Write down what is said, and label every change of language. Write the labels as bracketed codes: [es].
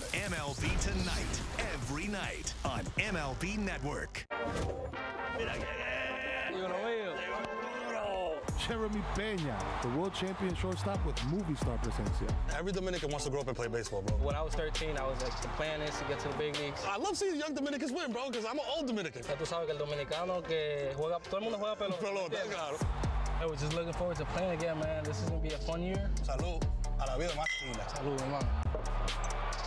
[en] MLB tonight. Every night on MLB Network. Jeremy Peña, the world champion shortstop with movie star presencia. Every Dominican wants to grow up and play baseball, bro. When I was 13, I was like, the plan is to get to the big leagues. I love seeing young Dominicans win, bro, because I'm an old Dominican. [es] Tú sabes que el dominicano que juega, todo el mundo juega pelota. Pelota, claro. [en] Hey, we're just looking forward to playing again, man. This is gonna be a fun year. [es] Salud a la vida, Martina. Salud, hermano. [en] We'll be right back.